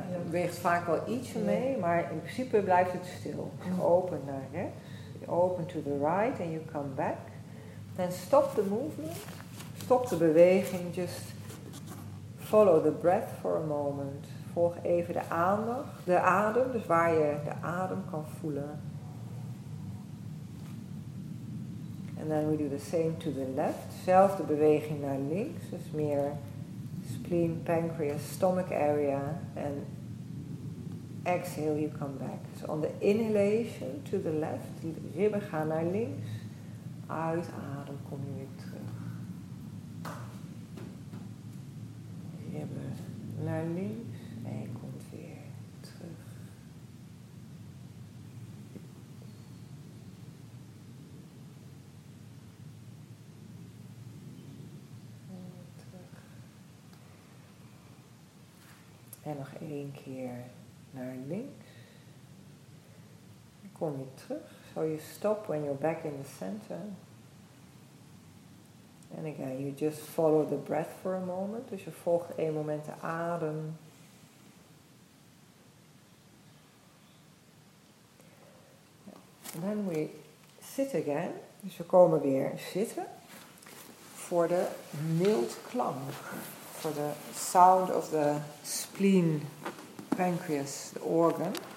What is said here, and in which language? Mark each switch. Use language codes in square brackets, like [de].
[nl] Het beweegt vaak wel ietsje mee, maar in principe blijft het stil. Open naar rechts. [en] Open to the right and you come back. Then stop the movement. [nl] Stop de beweging. [en] Just follow the breath for a moment. [nl] Volg even de aandacht. De adem, dus waar je de adem kan voelen. [en] And then we do the same to the left. [nl] Zelfde beweging naar links. Dus meer [en] spleen, pancreas, stomach area. And exhale, you come back. So on the inhalation to the left. [nl] Ribben gaan naar links. uitadem, kom je weer terug. Je hebt naar links en je komt weer terug. En weer terug. En nog één keer naar links. Kom je terug. [en] So you stop when you're back in the center. And again, you just follow the breath for a moment. [nl] Dus je volgt één moment de adem. [en] And then we sit again. [nl] Dus we komen weer zitten. Voor de mild klank. Voor de [en] sound of the spleen, pancreas, the organ.